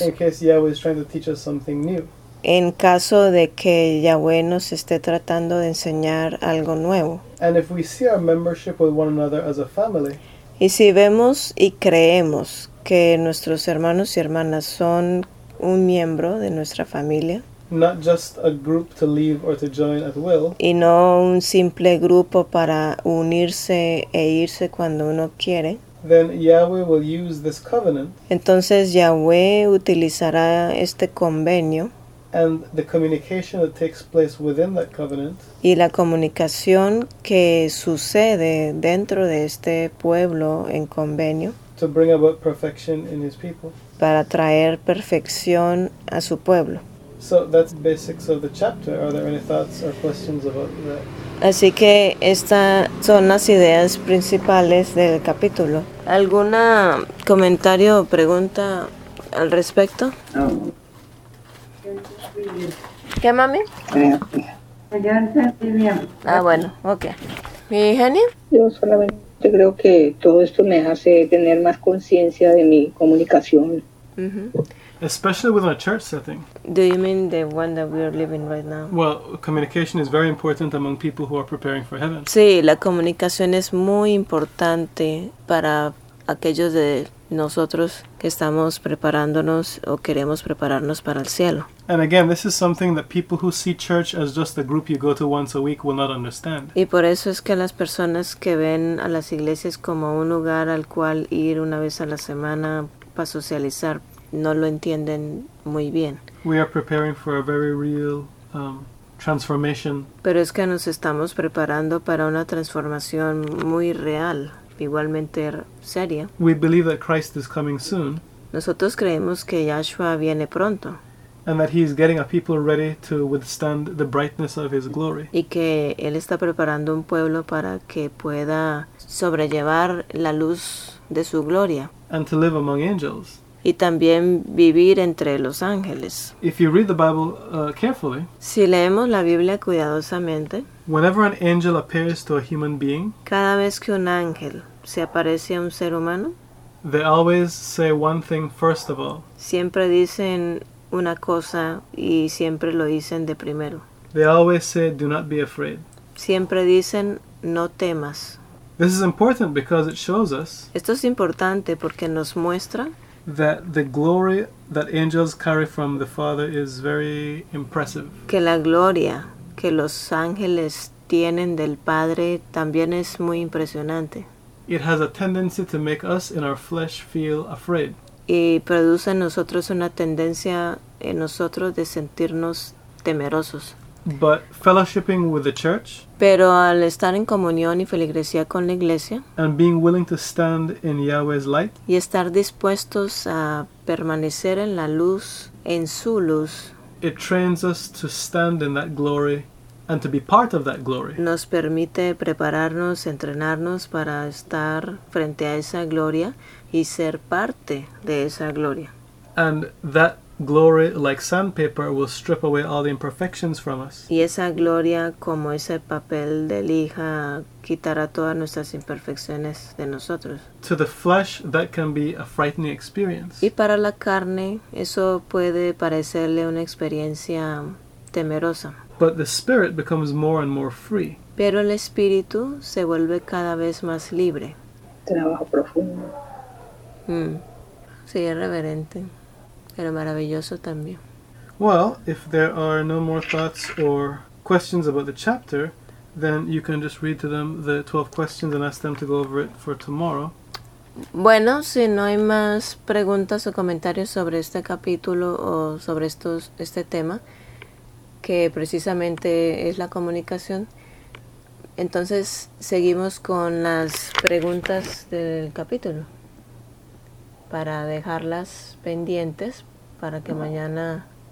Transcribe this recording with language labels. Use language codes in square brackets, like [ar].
[en] In case Yahweh is trying to teach us something new. [es] En caso de que Yahweh nos esté tratando de enseñar algo nuevo. [en] And if we see our membership with one another as a family, [es] y si vemos y creemos que nuestros hermanos y hermanas son un miembro de nuestra familia, [en] not just a group to leave or to join at will, [es] y no un simple grupo para unirse e irse cuando uno quiere, [en] then Yahweh will use this covenant. [es] Entonces Yahweh utilizará este convenio. [en] And the communication that takes place within that covenant, [es] y la comunicación que sucede dentro de este pueblo en convenio, [en] to bring about perfection in his people, [es] para traer perfección a su pueblo. [en] So that's the basics of the chapter. Are there any thoughts or questions about that? [es] Así que estas son las ideas principales del capítulo. ¿Alguna comentario o pregunta al respecto? No. ¿Qué, mami? Ah, bueno, okay. ¿Y Jenny? Yo solamente creo que todo esto me hace tener más conciencia de mi comunicación. [en] Especially with a church setting. Do you mean the one that we are living right now? Well, communication is very important among people who are preparing for heaven. [es] Sí, la comunicación es muy importante para aquellos de nosotros que estamos preparándonos o queremos prepararnos para el cielo. [en] And again, this is something that people who see church as just the group you go to once a week will not understand. [es] Y por eso es que las personas que ven a las iglesias como un lugar al cual ir una vez a la semana para socializar no lo entienden muy bien. [en] We are preparing for a very real transformation. [es] Pero es que nos estamos preparando para una transformación muy real, igualmente seria. [en] We believe that Christ is coming soon. [es] Nosotros creemos que Yahshua viene pronto. [en] And that he is getting a people ready to withstand the brightness of his glory. [es] Y que él está preparando un pueblo para que pueda sobrellevar la luz de su gloria. [en] And to live among angels. [es] Y también vivir entre los ángeles. [en] If you read the Bible, carefully, [es] si leemos la Biblia cuidadosamente, [en] whenever an angel appears to a human being, [es] cada vez que un ángel se aparece a un ser humano, [en] they always say one thing first of all. [es] Siempre dicen una cosa y siempre lo dicen de primero. [en] They always say, "Do not be afraid." [es] Siempre dicen, "No temas." [en] This is important because it shows us, [es] esto es importante porque nos muestra, [en] that the glory that angels carry from the Father is very impressive. [es] Que la gloria que los ángeles tienen del Padre también es muy impresionante. [en] It has a tendency to make us in our flesh feel afraid. [es] Y produce en nosotros una tendencia en nosotros de sentirnos temerosos. [en] But fellowshipping with the church, [es] pero al estar en comunión y feligresía con la iglesia, [en] and being willing to stand in Yahweh's light, [es] y estar dispuestos a permanecer en la luz, en su luz, [en] it trains us to stand in that glory and to be part of that glory. [es] Nos permite prepararnos, entrenarnos para estar frente a esa gloria y ser parte de esa gloria. [en] And that glory like sandpaper will strip away all the imperfections from us. [es] Y esa gloria como ese papel de lija quitará todas nuestras imperfecciones de nosotros. [en] To the flesh, that can be a frightening experience. [es] Y para la carne, eso puede parecerle una experiencia temerosa. [en] But the spirit becomes more and more free. [es] Pero el espíritu se vuelve cada vez más libre. Trabajo profundo. Sí, es reverente, pero maravilloso también. [en] Well, if there are no more thoughts or questions about the chapter, then you can just read to them the 12 questions and ask them to go over it for tomorrow. [es] Bueno, si no hay más preguntas o comentarios sobre este capítulo o sobre este tema, que precisamente es la comunicación, entonces seguimos con las preguntas del capítulo para dejarlas pendientes para que mañana...